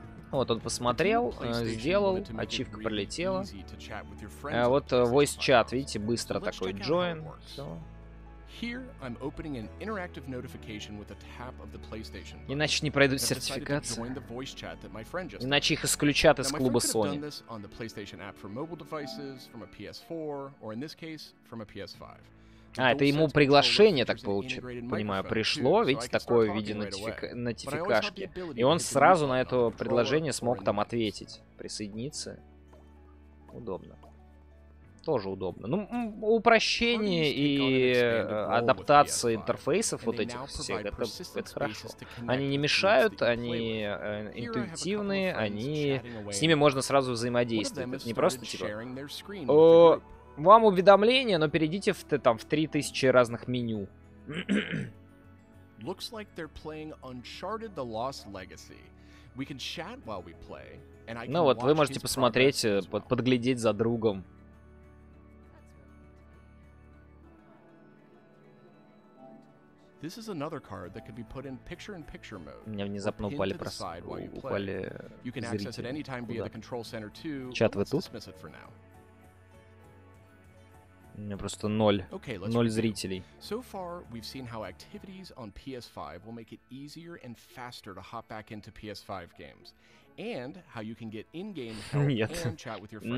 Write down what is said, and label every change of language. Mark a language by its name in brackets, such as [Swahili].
[Russian] Вот он посмотрел, сделал, ачивка пролетела. Вот voice chat, видите, быстро такой join. [English] Here I'm opening an interactive notification with a tap of the PlayStation. [Russian] Иначе не пройдут сертификация. Иначе их исключат из клуба Sony. [English] On the PlayStation app for mobile devices, from a PS4 or in this case from a PS5. [Russian] А, это ему приглашение, так получается, понимаю, пришло, видите, такое в виде нотификашки. И он сразу на это предложение смог там ответить, присоединиться. Удобно. Тоже удобно. Ну, упрощение и адаптация интерфейсов вот этих всех, это хорошо. Они не мешают, они интуитивные, они... С ними можно сразу взаимодействовать. Это не просто типа... Вам уведомление, но перейдите в 3000 разных меню. [English] Looks like they're playing Uncharted The Lost Legacy. We can chat while we play. [Russian] Ну вот, вы можете посмотреть, подглядеть за другом. [English] This is another card that could be put in picture-in-picture mode. [Russian] У меня внезапно упали упали зрители. Куда? Чат, вы тут? У меня просто ноль зрителей. [English] So far, we've seen how activities on PS5 will make it easier and faster to hop back into PS5 games. And how you can get in-game help and chat with your friends.